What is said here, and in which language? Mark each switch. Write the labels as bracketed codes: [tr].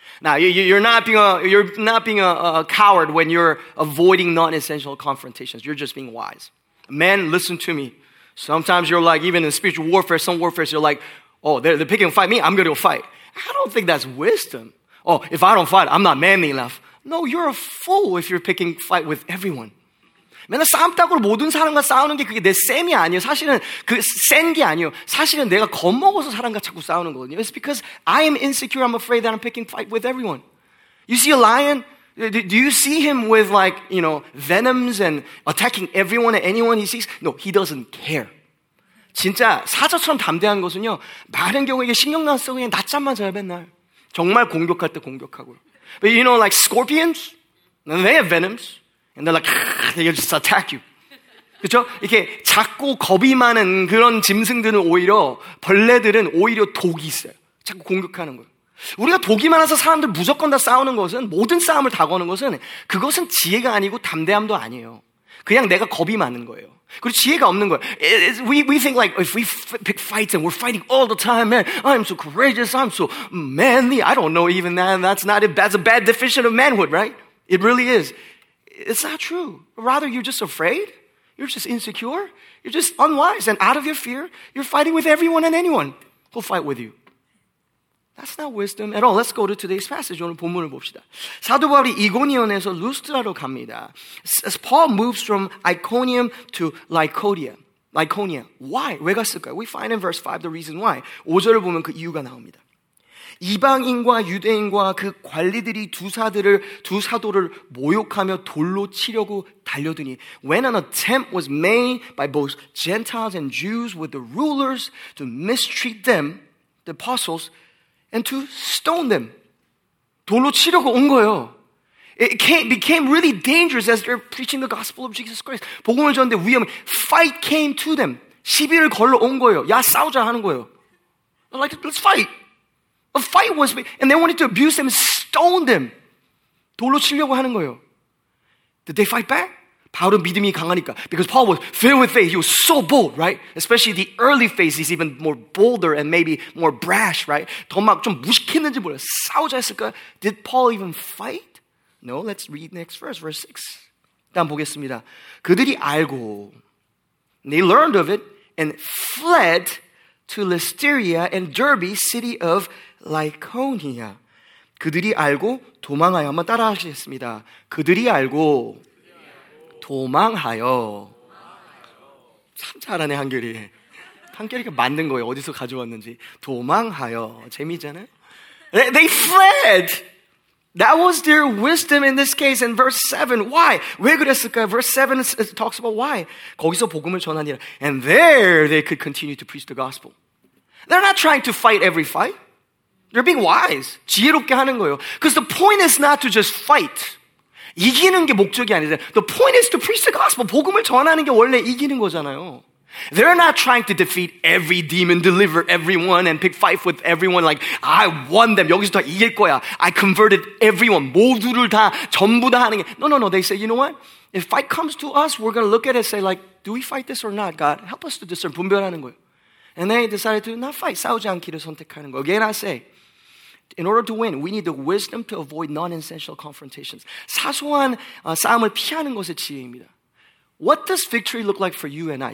[en] Now, you're not being a coward when you're avoiding non-essential confrontations. You're just being wise. Men, listen to me. Sometimes you're like, even in spiritual warfare, some warfare, you're like, oh, they're picking a fight. Me, I'm going to go fight. I don't think that's wisdom. Oh, if I don't fight, I'm not manly enough. No, you're a fool if you're picking fight with everyone. [ko] 맨날 싸움닭으로 모든 사람과 싸우는 게 그게 내 쌤이 아니에요. 사실은 그 센 게 아니에요. 사실은 내가 겁먹어서 사람과 자꾸 싸우는 거거든요. [en] It's because I am insecure. I'm afraid that I'm picking fight with everyone. You see a lion? Do you see him with like, you know, venoms and attacking everyone and anyone he sees? No, he doesn't care. [ko] 진짜 사자처럼 담대한 것은요. 많은 경우에 신경 안 쓰고 그냥 낮잠만 자요, 맨날. 정말 공격할 때 공격하고. [en] But you know, like scorpions? They have venoms. And they're like, they just attack you. [ko] 그렇죠? 이렇게 작고 겁이 많은 그런 짐승들은 오히려 벌레들은 오히려 독이 있어요. 자꾸 공격하는 거예요. 우리가 독이 많아서 사람들 무조건 다 싸우는 것은 모든 싸움을 다 거는 것은 그것은 지혜가 아니고 담대함도 아니에요. 그냥 내가 겁이 많은 거예요. 그리고 지혜가 없는 거예요. [en] We think like if we pick fights and we're fighting all the time, man, I'm so courageous, I'm so manly. I don't know even that. That's a bad definition of manhood, right? It really is. It's not true. Rather, you're just afraid. You're just insecure. You're just unwise. And out of your fear, you're fighting with everyone and anyone who'll fight with you. That's not wisdom at all. Let's go to today's passage. [ko] 오늘 본문을 봅시다. 사도 바울이 이고니온에서 루스트라로 갑니다. [en] As Paul moves from Iconium to Lycaonia. Lycaonia. Why? [ko] 왜 갔을까요? [en] We find in verse 5 the reason why. [ko] 5절을 보면 그 이유가 나옵니다. 이방인과 유대인과 그 관리들이 두 사도를 모욕하며 돌로 치려고 달려드니 [en] When an attempt was made by both Gentiles and Jews with the rulers to mistreat them, the apostles, and to stone them. [ko] 돌로 치려고 온 거예요. [en] It became really dangerous as they're preaching the gospel of Jesus Christ. [ko] 복음을 전하는데 위험. [en] Fight came to them. [ko] 시비를 걸러 온 거예요. 야 싸우자 하는 거예요. [en] They're like, let's fight. A fight was made, and they wanted to abuse them, stone them. [ko] 돌로 치려고 하는 거예요. [en] Did they fight back? [ko] 바울은 믿음이 강하니까. [en] Because Paul was filled with faith. He was so bold, right? Especially the early phase, he's even more bolder and maybe more brash, right? [ko] 더 막 좀 무식했는지 몰라. 싸우자 했을까? [en] Did Paul even fight? No, let's read next verse, verse 6. [ko] 다음 보겠습니다. 그들이 알고, [en] they learned of it and fled to Listeria and Derbe, city of Lycaonia. [ko] 그들이 알고 도망하여. 한번 따라하시겠습니다. 그들이 알고 도망하여. 참 잘하네, 한결이. 한결이가 만든 거예요. 어디서 가져왔는지. 도망하여. 재미있잖아요. [en] They fled. That was their wisdom in this case. In verse 7, why? [ko] 왜 그랬을까요? [en] Verse 7 talks about why. [ko] 거기서 복음을 전하니라. [en] And there they could continue to preach the gospel. They're not trying to fight every fight. They're being wise. [ko] 지혜롭게 하는 거예요. [en] Because the point is not to just fight. [ko] 이기는 게 목적이 아니잖아요. [en] The point is to preach the gospel. [ko] 복음을 전하는 게 원래 이기는 거잖아요. [en] They're not trying to defeat every demon, deliver everyone, and pick fight with everyone. Like, I won them. [ko] 여기서 다 이길 거야. [en] I converted everyone. [ko] 모두를 다, 전부 다 하는 게. [en] No, no, no. They say, you know what? If fight comes to us, we're going to look at it and say, like, do we fight this or not? God, help us to discern. [ko] 분별하는 거예요. [en] And they decided to not fight. [ko] 싸우지 않기를 선택하는 거. [en] Again, I say, in order to win, we need the wisdom to avoid non-essential confrontations. [ko] 사소한 싸움을 피하는 것의 지혜입니다. [en] What does victory look like for you and I?